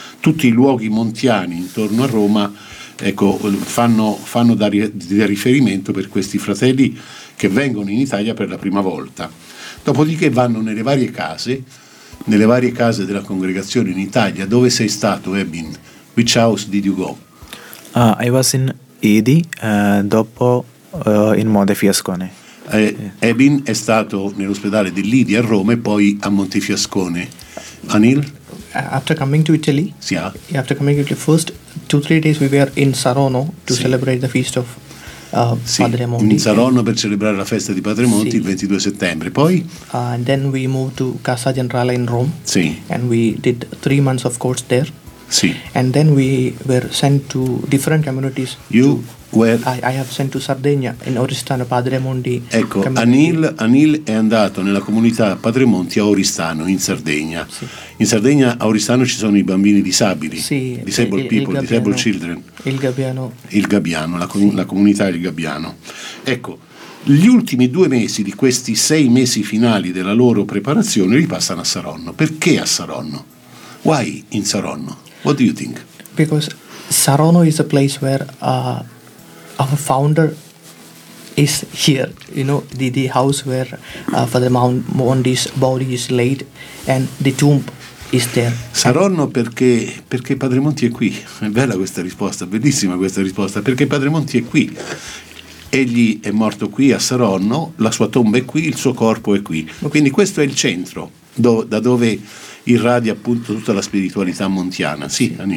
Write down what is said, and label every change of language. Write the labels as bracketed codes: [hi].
[it] Tutti i luoghi montiani intorno a Roma, ecco, fanno da riferimento per questi fratelli che vengono in Italia per la prima volta. Dopodiché vanno nelle varie case della congregazione in Italia. Dove sei stato, Ebin? [en] Which house did you go? I was in Edi, [it] dopo in [en] Monte Fiascone. [it] Ebin è stato nell'ospedale di Lidi a Roma e poi a Montefiascone. Anil? [en] After coming to Italy, yeah. After coming to Italy, first 2-3 days we were in Saronno to celebrate the feast of Padre Monti. [it] In Saronno per celebrare la festa di Padre Monti il 22 settembre. Poi? [en] And then we moved to Casa Generale in Rome. [it] Sì. [en] And we did 3 months of course there. [it] Sì. [en] And then we were sent to different communities. You to, were. I have sent to Sardegna in Oristano Padre Monti. [it] Ecco, Anil è andato nella comunità Padre Monti a Oristano in Sardegna. Sì. In Sardegna a Oristano ci sono i bambini disabili. Sì. [en] Disabled people, Gabbiano, disabled children. [it] Il Gabbiano. Il Gabbiano, la comunità del Gabbiano. Ecco, gli ultimi 2 mesi di questi 6 mesi finali della loro preparazione li passano a Saronno. Perché a Saronno? [en] Why in Saronno? What do you think? Because Saronno is a place where our founder is here. You know, the house where Father Mondi's body is laid and the tomb is there. [it] Saronno perché Padre Monti è qui. È bella questa risposta, bellissima questa risposta. Perché Padre Monti è qui. Egli è morto qui a Saronno, la sua tomba è qui, il suo corpo è qui. Quindi questo è il centro da dove irradia appunto tutta la spiritualità montiana, sì, Anil.